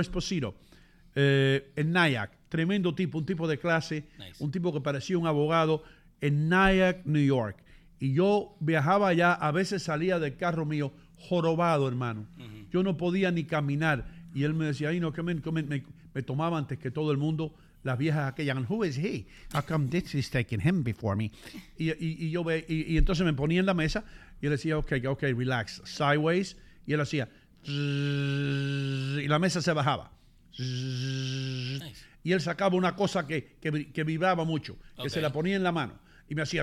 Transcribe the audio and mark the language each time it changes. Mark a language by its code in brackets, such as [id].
[es] Esposito, en NIAC. Tremendo tipo, un tipo de clase, nice. Un tipo que parecía un abogado en Nyack, New York. Y yo viajaba allá, a veces salía del carro mío jorobado, hermano. Uh-huh. Yo no podía ni caminar. Y él me decía, ay, no, me tomaba antes que todo el mundo las viejas aquellas. [en] And who is he? How come this is taking him before me? [es] Y entonces me ponía en la mesa y él decía, [en] ok, relax, sideways. [es] Y él hacía, y la mesa se bajaba. Nice. Y él sacaba una cosa que vibraba mucho, que okay. se la ponía en la mano. Y me hacía...